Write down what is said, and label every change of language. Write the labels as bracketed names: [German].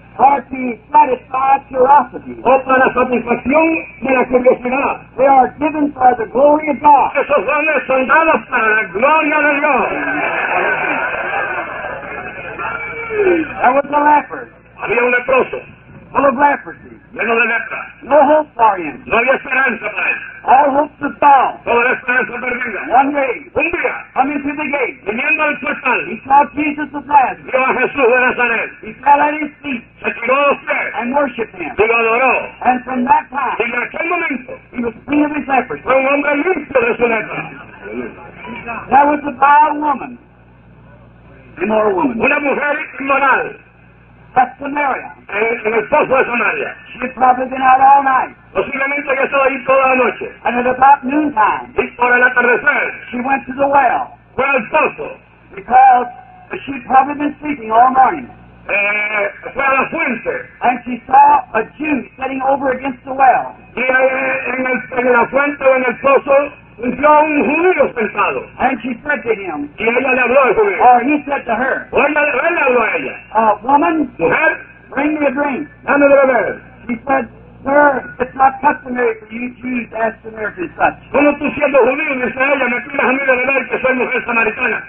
[English] Or to satisfy curiosity. [Spanish] O para la satisfacción de la curiosidad. [English] They are given for the glory of God. [Spanish] Esos dones son dados para la gloria de Dios. [English] There was a leper. [Spanish] Había un leproso. [English] Full of leprosy. [Spanish] Lleno de lepra. [English] No hope for him. [Spanish] No había esperanza para él. [English] All hopes have fallen. [Spanish] Toda la esperanza perdida. [English] One day. [Spanish] Un día. [English] Coming through the gate. [Spanish] Viniendo al portal. [English] He saw Jesus of Nazareth. [Spanish] Vio a Jesús de Nazaret. [English] He fell at his feet. [Spanish] Se tiró a los pies. [English] And worshipped him. [Spanish] Y lo adoró. [English] And from that time. [Spanish] Y en aquel momento. [English] He was free of his leprosy. [Spanish] Fue un hombre limpio de su lepra. [English] That was a vile woman. Immoral woman. [Spanish] Una mujer inmoral. [English] That's Samaria. [Spanish] En el pozo de Samaria. [English] She had probably been out all night. [Spanish] Posiblemente ella estaba ahí toda la noche. [English] And at about noontime. [Spanish] Y por el atardecer. [English] She went to the well. [Spanish] Fue al pozo. [English] Because she'd probably been sleeping all morning. [Spanish] Fue a la fuente. [English] And she saw a Jew sitting over against the well. [Spanish] Y en la fuente o en el pozo. Yo un judío sentado. [English] And she said to him. [Spanish] Y ella le habló al judío. [English] Or he said to her. [Spanish] O él habló a ella. [English] A woman. [Spanish] Mujer. [English] Bring me a drink. [Spanish] Dame de beber. [English] She said, sir, it's not customary for you Jews to ask Samaritans such. [Spanish] Como tú siendo judío, dice ella, me pidas a mí de beber que soy mujer samaritana.